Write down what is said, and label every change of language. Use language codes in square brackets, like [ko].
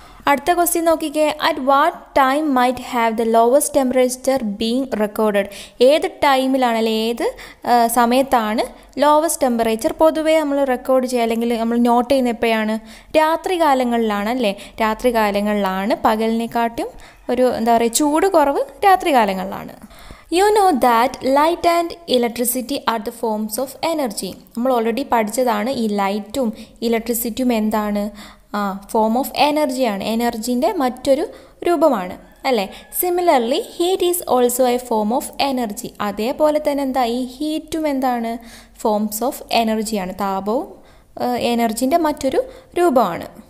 [ml] അടുത്ത ക്വസ്റ്റ്യൻ നോക്കിക്കേ, [en] At what time might have the lowest temperature being recorded. [ml] ഏത് ടൈമിലാണ് അല്ലെങ്കിൽ ഏത് സമയത്താണ് ലോവസ്റ്റ് ടെമ്പറേച്ചർ പൊതുവേ നമ്മൾ റെക്കോർഡ് ചെയ്യുക അല്ലെങ്കിൽ നമ്മൾ നോട്ട് ചെയ്യുന്നത്? എപ്പോഴാണ്? രാത്രികാലങ്ങളിലാണ് അല്ലേ? രാത്രികാലങ്ങളിലാണ്. പകലിനെക്കാട്ടും ഒരു എന്താ പറയുക, ചൂട് കുറവ് രാത്രികാലങ്ങളിലാണ്. [en] You know that light and electricity are the forms of energy. [ml] നമ്മൾ ഓൾറെഡി പഠിച്ചതാണ് ഈ ലൈറ്റും ഇലക്ട്രിസിറ്റിയും എന്താണ്, ഫോം ഓഫ് എനർജിയാണ്, എനർജീൻ്റെ മറ്റൊരു രൂപമാണ് അല്ലേ. [en] Similarly heat is also a form of energy. [ml] അതേപോലെ തന്നെ എന്താ, ഈ ഹീറ്റും എന്താണ്, ഫോംസ് ഓഫ് എനർജിയാണ്, താപവും എനർജീൻ്റെ മറ്റൊരു രൂപമാണ്.